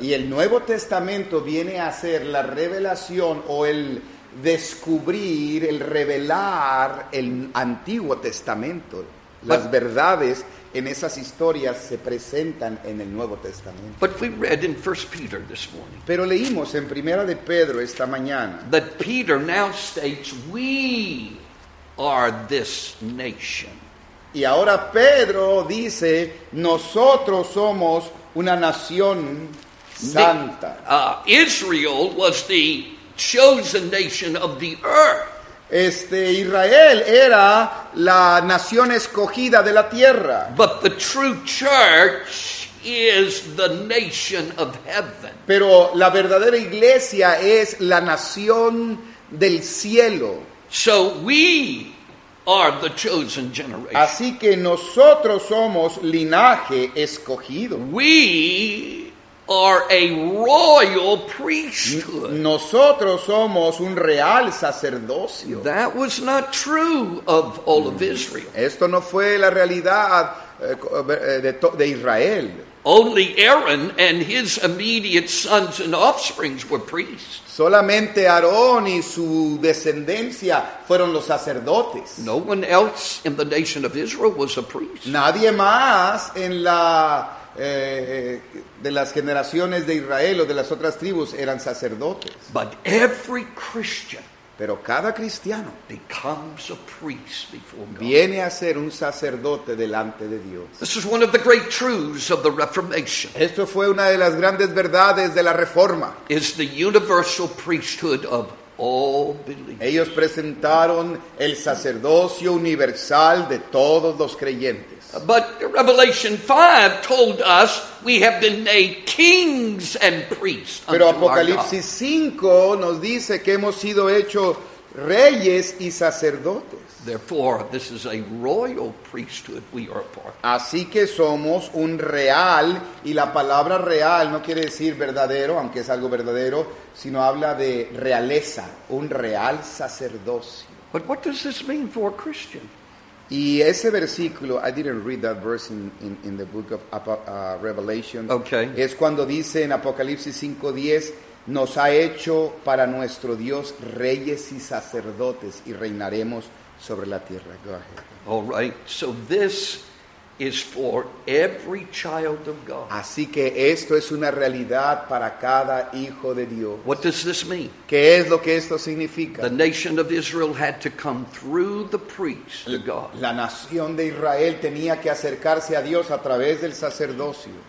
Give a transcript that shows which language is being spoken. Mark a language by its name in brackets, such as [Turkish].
[Spanish] Y el Nuevo Testamento viene a ser la revelación o el descubrir, el revelar el Antiguo Testamento. Las verdades en esas historias se presentan en el Nuevo Testamento. [English] But we read in 1 Peter this morning. [Spanish] Pero leímos en Primera de Pedro esta mañana. [English] That Peter now states, we are this nation. [Spanish] Y ahora Pedro dice, nosotros somos una nación santa. [English] Israel was the chosen nation of the earth. [Spanish] Israel era la nación escogida de la tierra. [English] But the true church is the nation of heaven. [Spanish] Pero la verdadera iglesia es la nación del cielo. [English] So we are the chosen generation. [Spanish] Así que nosotros somos linaje escogido. [English] We are a royal priesthood. [Spanish] Nosotros somos un real sacerdocio. [English] That was not true of all of Israel. [Spanish] Esto no fue la realidad de Israel. [English] Only Aaron and his immediate sons and offspring were priests. [Spanish] Solamente Aarón y su descendencia fueron los sacerdotes. [English] No one else in the nation of Israel was a priest. [Spanish] Nadie más en la de las generaciones de Israel o de las otras tribus eran sacerdotes. [English] But every Christian, [Spanish] pero cada cristiano, [English] becomes a priest before God. [Spanish] Viene a ser un sacerdote delante de Dios. [English] This is one of the great truths of the Reformation. [Spanish] Esto fue una de las grandes verdades de la Reforma. [English] Is the universal priesthood of all believers. [Spanish] Ellos presentaron el sacerdocio universal de todos los creyentes. [English] But Revelation 5 told us we have been made kings and priests. [Spanish] Pero Apocalipsis 5 nos dice que hemos sido hechos reyes y sacerdotes. [English] Therefore, this is a royal priesthood we are a part of. [Spanish] Así que somos un real, y la palabra real no quiere decir verdadero, aunque es algo verdadero, sino habla de realeza, un real sacerdocio. [English] But what does this mean for a Christian? [Spanish] Y ese versículo, [English] I didn't read that verse in the book of Revelation. Okay. [Spanish] Es cuando dice en Apocalipsis 5:10, nos ha hecho para nuestro Dios reyes y sacerdotes y reinaremos sobre la tierra. [English] Go ahead. All right. So this is for every child of God. [Spanish] Así que esto es una realidad para cada hijo de Dios. [English] What does this mean? [Spanish] ¿Qué es lo que esto significa? [English] The nation of Israel had to come through the priest to God. [Spanish] La nación de Israel tenía que acercarse a Dios a través del sacerdocio.